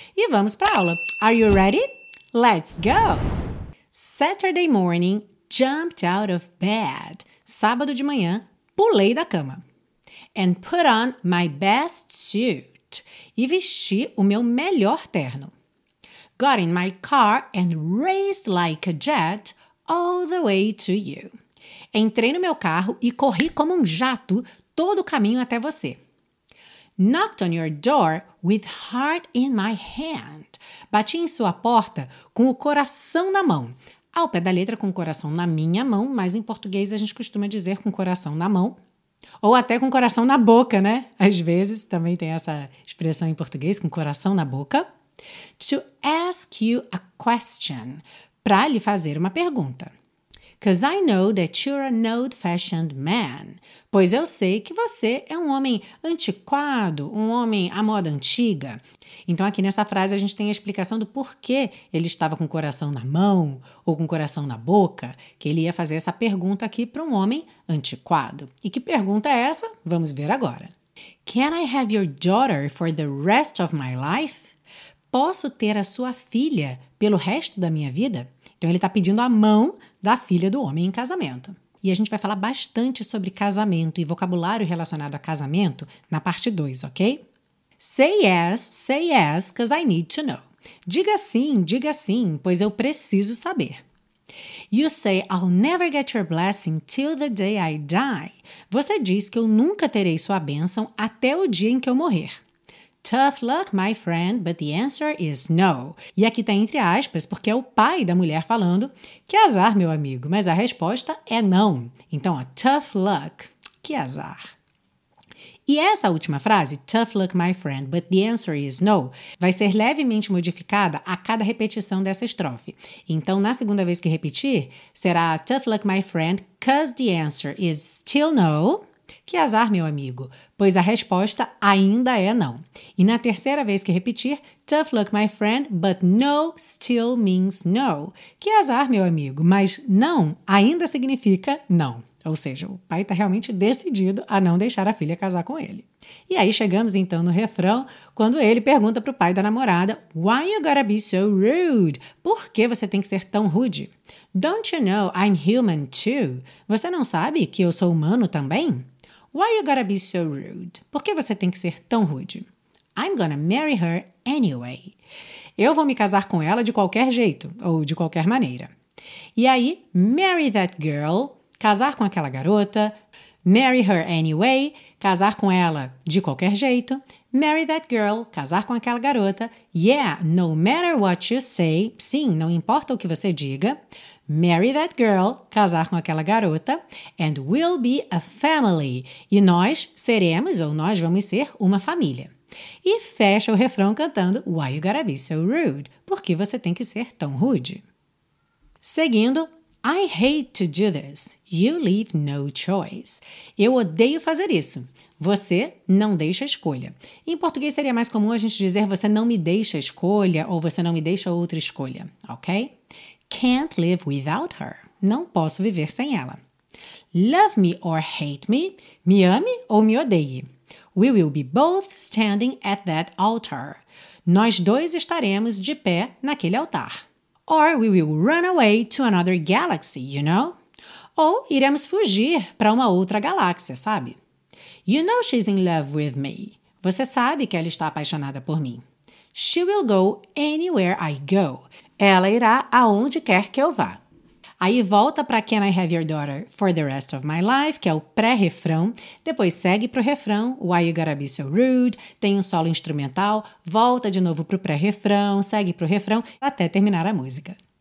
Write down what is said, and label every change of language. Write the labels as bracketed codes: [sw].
[pt] E vamos para a aula. [en] Are you ready? Let's go! Saturday morning. Jumped out of bed. [pt] Sábado de manhã, pulei da cama. [en] And put on my best suit. [pt] E vesti o meu melhor terno. [en] Got in my car and raced like a jet all the way to you. [pt] Entrei no meu carro e corri como um jato todo o caminho até você. [en] Knocked on your door with heart in my hand. [pt] Bati em sua porta com o coração na mão. Ao pé da letra, com o coração na minha mão, mas em português a gente costuma dizer com o coração na mão. Ou até com o coração na boca, né? Às vezes também tem essa expressão em português, com o coração na boca. [en] To ask you a question, [pt] para lhe fazer uma pergunta. [en] Because I know that you're an old-fashioned man. [pt] Pois eu sei que você é um homem antiquado, um homem à moda antiga. Então aqui nessa frase a gente tem a explicação do porquê ele estava com o coração na mão ou com o coração na boca, que ele ia fazer essa pergunta aqui para um homem antiquado. E que pergunta é essa? Vamos ver agora. [en] Can I have your daughter for the rest of my life? [pt] Posso ter a sua filha pelo resto da minha vida? Então ele está pedindo a mão da filha do homem em casamento. E a gente vai falar bastante sobre casamento e vocabulário relacionado a casamento na parte 2, ok? [en] Say yes, because I need to know. [pt] Diga sim, pois eu preciso saber. [en] You say, I'll never get your blessing till the day I die. [pt] Você diz que eu nunca terei sua bênção até o dia em que eu morrer. [en] Tough luck, my friend, but the answer is no. [pt] E aqui está entre aspas, porque é o pai da mulher falando, que azar, meu amigo, mas a resposta é não. Então, ó, [en] tough luck, que azar. E essa última frase, tough luck, my friend, but the answer is no, [pt] vai ser levemente modificada a cada repetição dessa estrofe. Então, na segunda vez que repetir, será [en] tough luck, my friend, because the answer is still no. [pt] Que azar, meu amigo, pois a resposta ainda é não. E na terceira vez que repetir, [en] tough luck, my friend, but no still means no. [pt] Que azar, meu amigo, mas não ainda significa não. Ou seja, o pai está realmente decidido a não deixar a filha casar com ele. E aí chegamos então no refrão, quando ele pergunta para o pai da namorada, [en] why you gotta be so rude? [pt] Por que você tem que ser tão rude? [en] Don't you know I'm human too? [pt] Você não sabe que eu sou humano também? [en] Why you gotta be so rude? [pt] Por que você tem que ser tão rude? [en] I'm gonna marry her anyway. [pt] Eu vou me casar com ela de qualquer jeito, ou de qualquer maneira. E aí, marry that girl, casar com aquela garota, marry her anyway, casar com ela de qualquer jeito, marry that girl, casar com aquela garota, [en] yeah, no matter what you say, [pt] sim, não importa o que você diga, marry that girl, casar com aquela garota, [en] and we'll be a family. [pt] E nós seremos ou nós vamos ser uma família. E fecha o refrão cantando [en] Why you gotta be so rude? [pt] Por que você tem que ser tão rude? [en] Seguindo, I hate to do this. You leave no choice. [pt] Eu odeio fazer isso. Você não deixa escolha. Em português seria mais comum a gente dizer você não me deixa escolha ou você não me deixa outra escolha, ok? [en] Can't live without her. [pt] Não posso viver sem ela. [en] Love me or hate me. [pt] Me ame ou me odeie. [en] We will be both standing at that altar. [pt] Nós dois estaremos de pé naquele altar. [en] Or we will run away to another galaxy, you know? [pt] Ou iremos fugir para uma outra galáxia, sabe? [en] You know she's in love with me. [pt] Você sabe que ela está apaixonada por mim. [en] She will go anywhere I go. [pt] Ela irá aonde quer que eu vá. Aí volta para [en] Can I Have Your Daughter for the Rest of My Life, [pt] que é o pré-refrão. Depois segue para o refrão, Why You Gotta Be So Rude, tem um solo instrumental, volta de novo para o pré-refrão, segue para o refrão, até terminar a música.